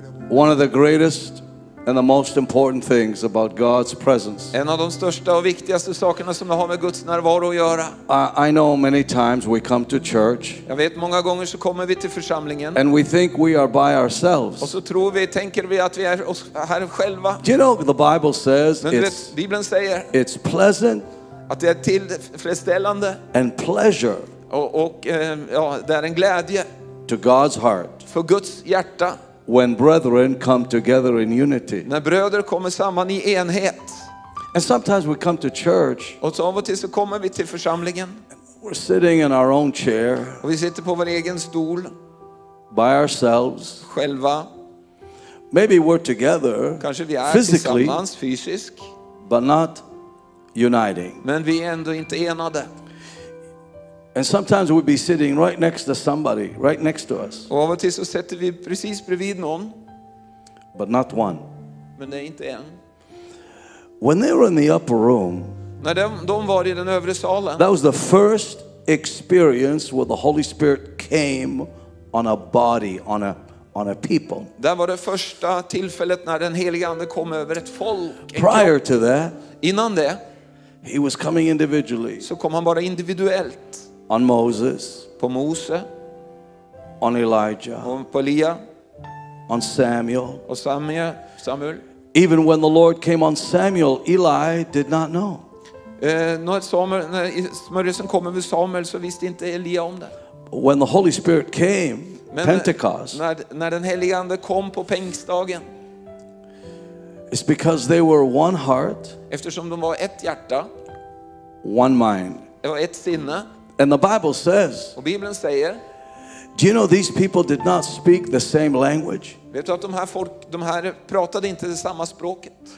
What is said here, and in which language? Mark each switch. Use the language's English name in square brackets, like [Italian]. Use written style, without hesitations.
[English] One of the greatest and the most important things about God's presence. [Swedish] En av de största och viktigaste sakerna som har med Guds närvaro att göra. [English] I know many times we come to church. [Swedish] Jag vet många gånger så kommer vi till församlingen. [English] And we think we are by ourselves. [Swedish] Och så tror vi, tänker vi att vi är oss här själva. [English] Do you know the Bible says? [Swedish] Men vet, Bibeln säger. [English] It's pleasant. [Swedish] Att det är tillfredsställande. [English] And pleasure. [Swedish] Och ja, det är en glädje. [English] To God's heart. [Swedish] För Guds hjärta. [English] When brethren come together in unity. [Swedish] När bröder kommer samman i enhet. [English] And sometimes we come to church. [Swedish] Och så av och till så kommer vi till församlingen. [English] We're sitting in our own chair. [Swedish] Och vi sitter på vår egen stol. [English] By ourselves. [Swedish] Själva. [English] Maybe we're together. [Swedish] Kanske vi är tillsammans fysiskt. [English] But not uniting. [Swedish] Men vi är ändå inte enade. [English] And sometimes we'd be sitting right next to somebody, right next to us. [Swedish] Och av och till så sätter vi precis bredvid någon. [English] But not one. [Swedish] Men det är inte en. [English] When they were in the upper room. [Swedish] När de var i den övre salen. [English] That was the first experience where the Holy Spirit came on a body, on a people. [Swedish] Där var det första tillfället när den helige ande kom över ett folk. [English] Prior to that. [Swedish] Innan det. [English] He was coming individually. [Swedish] Så kom han bara individuellt. [English] On Moses, [Swedish] på Mose, [English] on Elijah, [Swedish] på Elia, [English] on Samuel, [Swedish] och Samuel. [English] Even when the Lord came on Samuel, Eli did not know. [Swedish] När smörjelsen kom över Samuel så visste inte Elia om det. [English] When the Holy Spirit came, men Pentecost, [Swedish] när den helige ande kom på pingstdagen. [English] It's because they were one heart, [Swedish] eftersom de var ett hjärta, [English] one mind, [Swedish] ett sinne. [English] And the Bible says. [Swedish] Och Bibeln säger. [English] Do you know these people did not speak the same language? [Swedish] Vet du att de här pratade inte det samma språket.